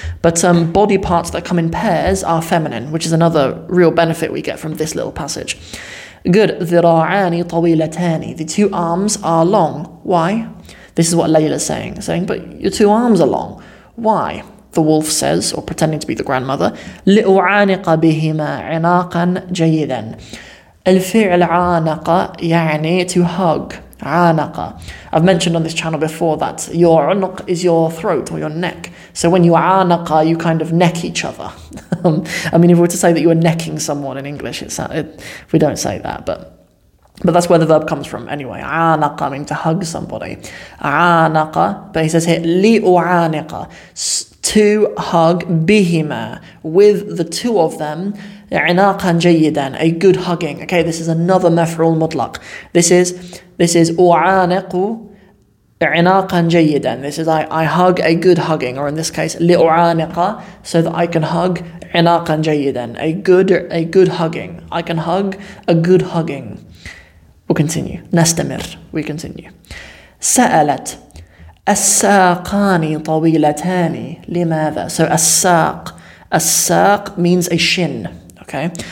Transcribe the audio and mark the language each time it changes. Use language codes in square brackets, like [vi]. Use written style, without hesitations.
[en] But body parts that come in pairs are feminine, which is another real benefit we get from this little passage. Good, [ar] ذراعان طويلتان, [en] the two arms are long. Why? This is what Layla is saying, but your two arms are long. Why? The wolf says, or pretending to be the grandmother, [ar] لِأُعَانِقَ بِهِمَا عِنَاقًا جَيِّدًا. الفعل عانق يعني [en] to hug. [ar] عانق. [en] I've mentioned on this channel before that your عنق is your throat or your neck. So when you عانق, you kind of neck each other. I mean, if we were to say that you were necking someone in English, we don't say that, but that's where the verb comes from anyway. عانق, I mean to hug somebody. عانق, but he says here, لِأُعَانِقَ. To hug bihima, with the two of them, [ar] عِنَاقًا جَيِّدًا, [en] a good hugging. Okay, this is another مَفْعُول مُطْلَق. This is [ar] أُعَانِقُ عِنَاقًا جَيِّدًا. [en] This is I hug a good hugging, or in this case, لِأُعَانِقَ, so that I can hug [ar] عِنَاقًا جَيِّدًا, [en] a good hugging. I can hug a good hugging. We'll continue. نستمر. We continue. سألت. [ar] الساقاني طويلتاني لماذا؟ [en] So الساق means a shin. Okay.